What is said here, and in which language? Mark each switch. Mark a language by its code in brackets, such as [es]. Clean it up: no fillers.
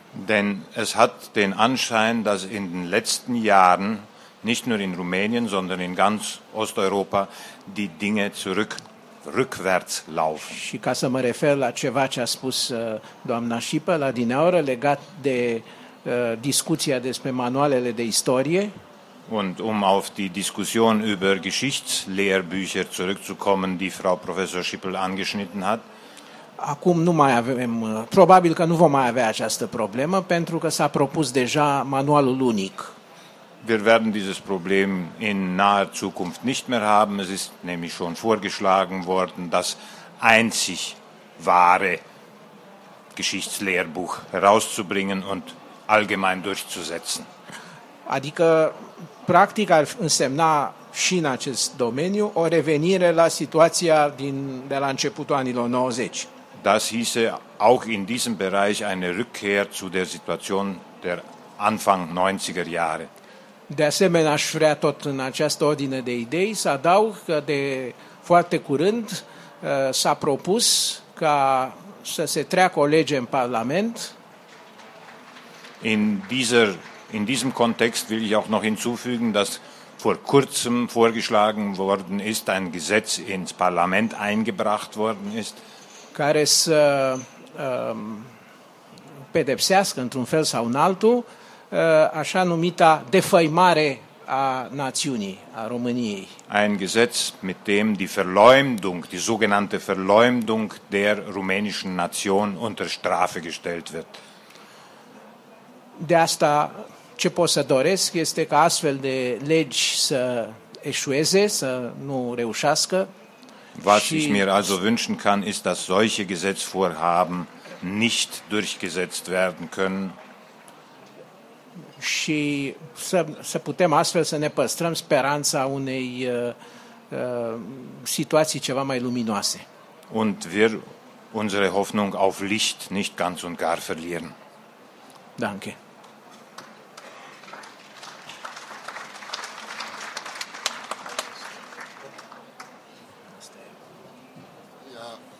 [de] Denn es hat den Anschein, dass in den letzten Jahren nicht nur in Rumänien, sondern in ganz Osteuropa die Dinge rückwärts laufen. [ro] Și ca să mă refer la ceva ce a spus doamna Șipă la dinaură legat de discuția despre manualele de istorie. [de] Und auf die Diskussion über Geschichtslehrbücher zurückzukommen, die Frau Professor Schippel angeschnitten hat. [ro] Acum nu mai avem, probabil că nu vom mai avea această problemă, pentru că s-a propus deja manualul unic. [de] Wir werden dieses Problem in naher Zukunft nicht mehr haben. Es ist nämlich schon vorgeschlagen worden, das einzig wahre Geschichtslehrbuch herauszubringen und allgemein durchzusetzen. [ro] Adică practic ar însemna și în acest domeniu o revenire la situația de la începutul anilor 90. [de] Das hieße auch in diesem Bereich eine Rückkehr zu der Situation der Anfang 90er Jahre. [ro] De asemenea, aș vrea tot în această ordine de idei să adaug că de foarte curând s-a propus ca să se treacă o lege în Parlament. [de] In diesem Kontext will ich auch noch hinzufügen, dass vor kurzem vorgeschlagen worden ist, ein Gesetz ins Parlament eingebracht worden ist, [ro] care să pedepsească într-un fel sau în altul așa numita defăimare a națiunii, a României. [de] Ein Gesetz, mit dem die Verleumdung, die sogenannte Verleumdung der rumänischen Nation unter Strafe gestellt wird. [ro] De asta ce pot să doresc este ca astfel de legi să eșueze, să nu reușească. [de] Was ich mir also wünschen kann, ist, dass solche Gesetzvorhaben nicht durchgesetzt werden können. [ro] Și să putem astfel să ne păstrăm speranța unei situații ceva mai luminoase. [de] Und wir unsere Hoffnung auf Licht nicht ganz und gar verlieren. Danke. Ja,